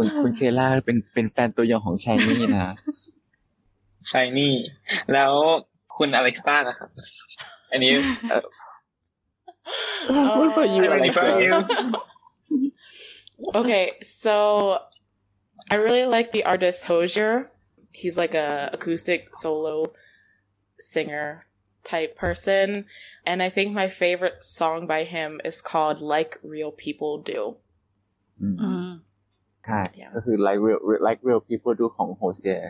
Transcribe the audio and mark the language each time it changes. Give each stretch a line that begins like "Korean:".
Thai: คุณเคล่าเป็นแฟนตัวยงของ Shiny นะ Shiny. แล้วคุณ Alexa นะครับ
English: And you? What about you, Alexa? Okay, so I really like the artist Hozier. He's like a acoustic solo singer type person. And I think my favorite song by him is called Like Real People Do. Like Real People Do ของ Hozier.